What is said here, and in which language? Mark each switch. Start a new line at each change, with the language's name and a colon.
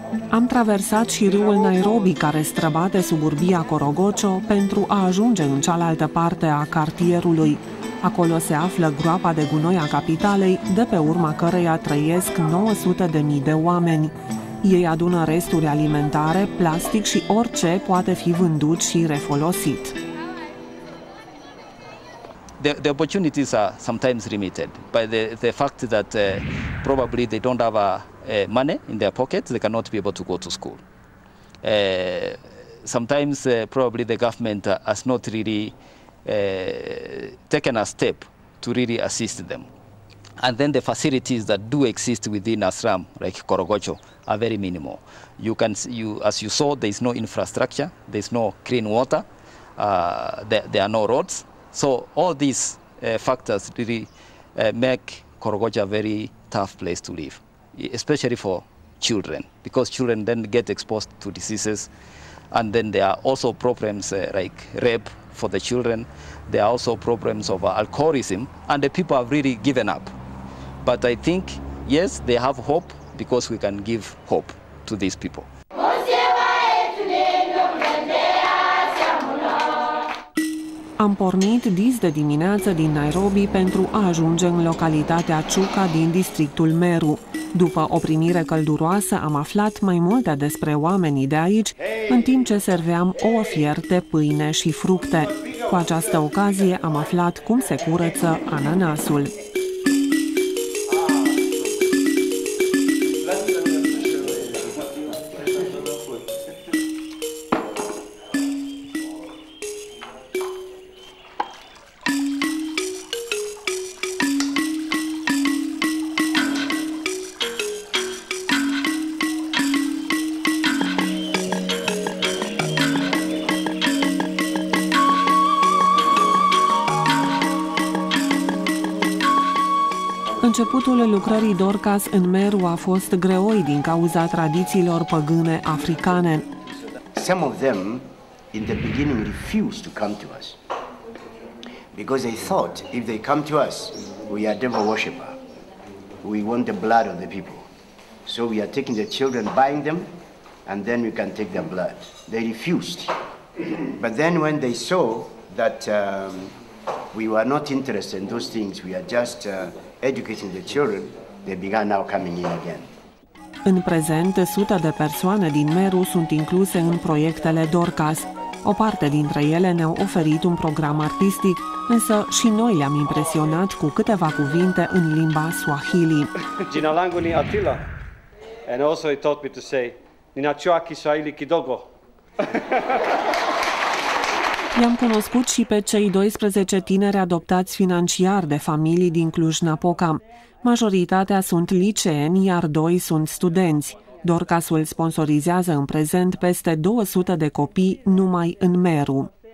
Romanian: Am traversat și râul Nairobi, care străbate suburbia Corogocio, pentru a ajunge în cealaltă parte a cartierului. Acolo se află groapa de gunoi a capitalei, de pe urma căreia trăiesc 900.000 de oameni. Ei adună resturi alimentare, plastic și orice poate fi vândut și refolosit.
English: The opportunities are sometimes limited by the fact that probably they don't have money in their pockets, they cannot be able to go to school. Sometimes probably the government has not really taken a step to really assist them. And then the facilities that do exist within a slum like Corogocio are very minimal. As you saw, there is no infrastructure, there is no clean water, there are no roads. So all these factors really make Corogocio a very tough place to live, especially for children, because children then get exposed to diseases, and then there are also problems like rape for the children. There are also problems of alcoholism, and the people have really given up. But I think, yes, they have hope, because we can give hope to these people.
Romanian: Am pornit dis de dimineață din Nairobi pentru a ajunge în localitatea Chuka din districtul Meru. După o primire călduroasă, am aflat mai multe despre oamenii de aici, în timp ce serveam ouă fierte, pâine și fructe. Cu această ocazie, am aflat cum se curăță ananasul. Începutul lucrării Dorcas în Meru a fost greoi din cauza tradițiilor păgâne africane.
English: Some of them in the beginning refused to come to us because they thought if they come to us we are devil worshipper. We want the blood of the people. So we are taking the children, buying them, and then we can take their blood. They refused. But then when they saw that we were not interested in those things, we are just educating the children, they began now coming in again.
Romanian: În prezent, sute de persoane din Meru sunt incluse în proiectele Dorcas. O parte dintre ele ne-au oferit un program artistic, însă și noi le-am impresionat cu câteva cuvinte în limba swahili.
Swahili: Jina langu ni Attila.
English: And also he taught me to say
Swahili: ninachua kiswahili kidogo.
Romanian: I-am cunoscut și pe cei 12 tineri adoptați financiar de familii din Cluj-Napoca. Majoritatea sunt liceeni, iar doi sunt studenți. Dorcasul sponsorizează în prezent peste 200 de copii numai în Meru.